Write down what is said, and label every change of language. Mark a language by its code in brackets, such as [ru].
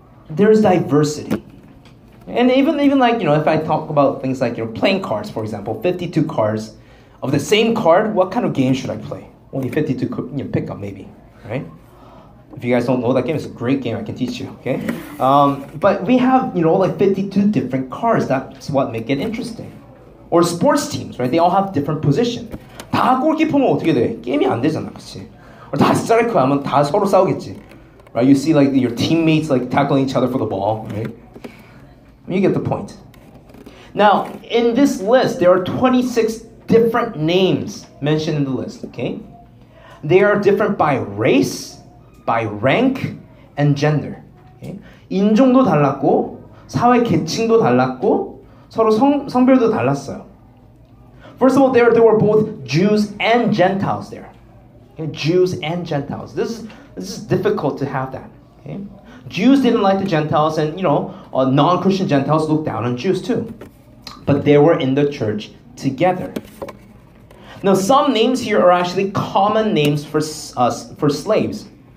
[en] There's diversity. And even like, you know, if I talk about things like, you know, playing cards, for example, 52 cards of the same card, what kind of game should I play? Only 52, you know, pick up maybe, right? If you guys don't know that game, it's a great game, I can teach you, okay? But we have, you know, like 52 different cards. That's what make it interesting. Or sports teams, right? They all have different positions. [ko] 다 골키퍼면 어떻게 돼? 게임이 안 되잖아, 그치? 다 스트라이크하면 다 서로 싸우겠지. [en] Right? You see like your teammates like tackling each other for the ball, right? You get the point. Now, in this list, there are 26 different names mentioned in the list, okay? They are different by race, by rank, and gender. Okay? [ko] 인종도 달랐고, 사회 계층도 달랐고, 서로 성별도 달랐어요. [en] First of all, there were both Jews and Gentiles there. Okay? Jews and Gentiles. This is difficult to have that. Okay? Jews didn't like the Gentiles, and you know, non-Christian Gentiles looked down on Jews too. But they were in the church together. Now, some names here are actually common names for us, for slaves.